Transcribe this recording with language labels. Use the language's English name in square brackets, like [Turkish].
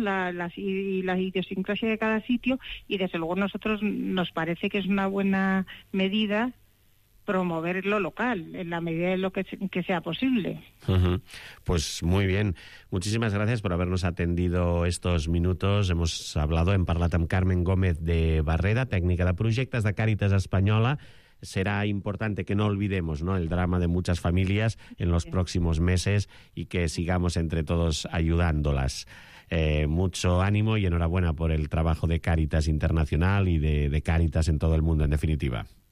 [Spanish] La idiosincrasia de cada sitio, y desde luego nosotros nos parece que es una buena medida promover lo local en la medida de lo que sea posible. Uh-huh. Pues muy bien, muchísimas gracias por habernos atendido estos minutos. Hemos hablado, [Catalan] hem parlat amb Carmen Gómez de Barreda, tècnica de projectes de Càritas Espanyola. [Spanish] Será importante que no olvidemos, ¿no?, el drama de muchas familias en los próximos meses y que sigamos entre todos ayudándolas. Mucho ánimo y enhorabuena por el trabajo de Cáritas Internacional y de Cáritas en todo el mundo, en definitiva.